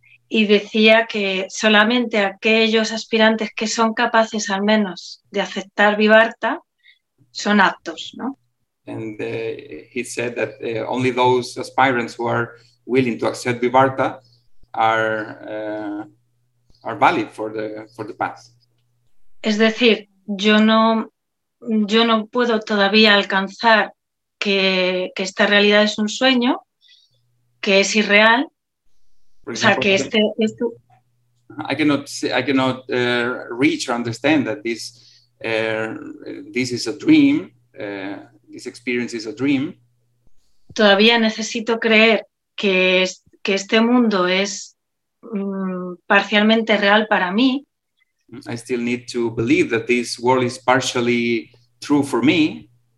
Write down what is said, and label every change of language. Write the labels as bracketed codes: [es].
[es] Y decía que solamente aquellos aspirantes que son capaces al menos de aceptar Vivarta son aptos, ¿no? [en] And he said that only those aspirants who are willing to accept Vivarta are valid for the path. [es] Es decir, yo no puedo todavía alcanzar que esta realidad es un sueño, que es irreal. [en] Example, [es] o sea, que esto [en] I cannot reach or understand that this is a dream. This experience is a dream. [es] Todavía necesito creer que este mundo es parcialmente real para mí. [en] I still need to believe that this world is partially true for me.